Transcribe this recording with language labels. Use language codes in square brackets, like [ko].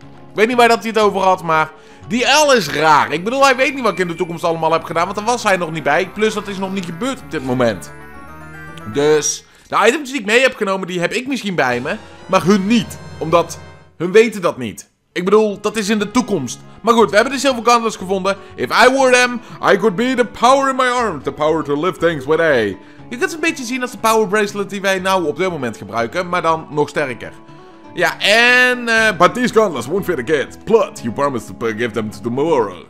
[nl] Ik weet niet waar dat hij het over had, maar die L is raar. Ik bedoel, hij weet niet wat ik in de toekomst allemaal heb gedaan, want daar was hij nog niet bij. Plus, dat is nog niet gebeurd op dit moment. Dus, de items die ik mee heb genomen, die heb ik misschien bij me, maar hun niet. Omdat hun weten dat niet. Ik bedoel, dat is in de toekomst. Maar goed, we hebben de Silver Gauntlets gevonden. [en] If I wore them, I could be the power in my arms. The power to lift things with A. [nl] Je kunt ze een beetje zien als de power bracelet die wij nou op dit moment gebruiken. Maar dan nog sterker. Ja, en... [en] But these gauntlets won't fit the kids. Plus, you promised to give them to Tomorrow.